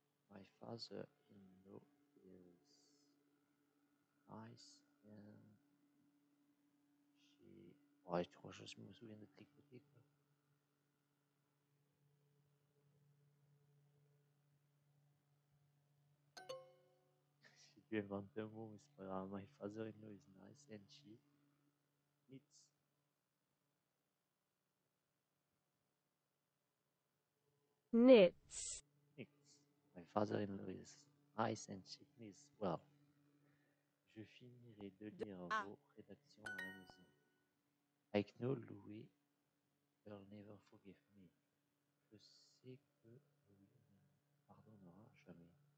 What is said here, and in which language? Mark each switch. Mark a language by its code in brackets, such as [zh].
[en] My father-in-law is nice and... [fr] Ouais, tu crois que je me souviens de tricoter, quoi. J'ai dû inventer un mot, mais c'est pas grave. [en] My father-in-law is nice and she eats. Knits. Knits. My father-in-law is nice and she knits. [fr] Well, je finirai de lire vos rédactions à la maison. [en] I know Louis will never forgive me. [fr] Je sais que Louis ne me pardonnera jamais.